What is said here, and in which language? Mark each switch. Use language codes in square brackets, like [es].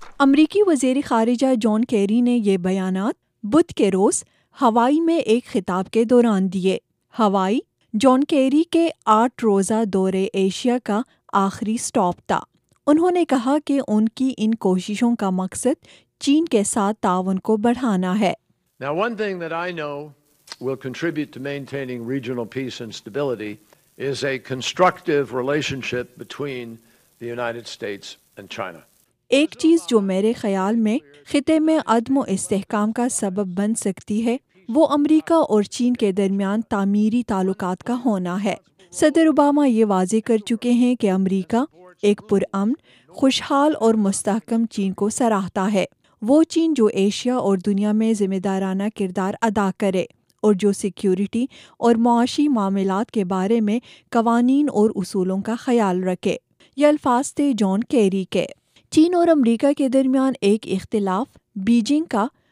[ur] امریکی وزیر خارجہ جان کیری نے یہ بیانات بدھ کے روز ہوائی میں ایک خطاب کے دوران دیے۔ ہوائی جان کیری کے 8 روزہ دورے ایشیا کا آخری سٹاپ تھا۔ انہوں نے کہا کہ ان کی ان کوششوں کا مقصد چین کے ساتھ تعاون کو بڑھانا ہے۔ [en] Now one thing that I know will contribute to maintaining regional peace and stability is a constructive relationship between the United States and China۔ [ur] ایک چیز جو میرے خیال میں خطے میں عدم استحکام کا سبب بن سکتی ہے وہ امریکہ اور چین کے درمیان تعمیری تعلقات کا ہونا ہے۔ صدر اوباما یہ واضح کر چکے ہیں کہ امریکہ ایک پرامن، خوشحال اور مستحکم چین کو سراہتا ہے۔ وہ چین جو ایشیا اور دنیا میں ذمہ دارانہ کردار ادا کرے اور جو سیکیورٹی اور معاشی معاملات کے بارے میں قوانین اور اصولوں کا خیال رکھے۔ یہ الفاظ تھے جان کیری کے۔ چین اور امریکہ کے درمیان ایک اختلاف بیجنگ کا